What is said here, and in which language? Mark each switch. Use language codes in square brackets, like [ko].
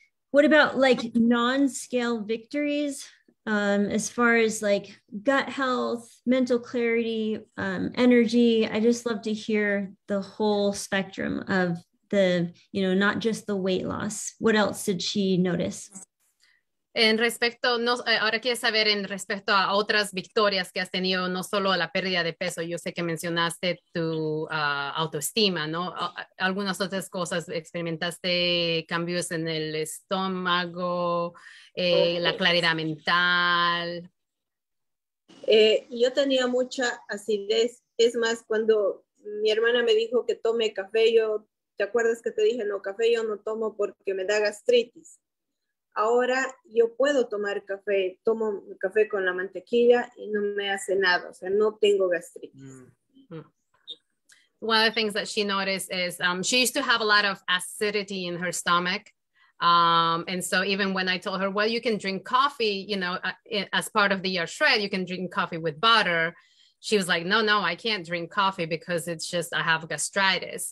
[en] What about like non-scale victories, as far as like gut health, mental clarity, energy? I just love to hear the whole spectrum of the, you know, not just the weight loss. What else did she notice? [es] En respecto, no, ahora quieres saber en respecto a otras victorias que has tenido, no solo la pérdida de peso. Yo sé que mencionaste tu autoestima, ¿no? Algunas otras cosas, experimentaste cambios en el estómago, la claridad mental. Yo tenía mucha acidez. Es más, cuando mi hermana me dijo que tome café, yo, ¿te acuerdas que te dije, no, café yo no tomo porque me da gastritis? Ahora yo puedo tomar café, tomo café con la mantequilla y no me hace nada, o sea, no tengo gastritis. Mm-hmm. [en] One of the things that she noticed is she used to have a lot of acidity in her stomach. And so even when I told her, well, you can drink coffee, you know, as part of the Ayurveda, you can drink coffee with butter. She was like, no, I can't drink coffee because it's just, I have gastritis.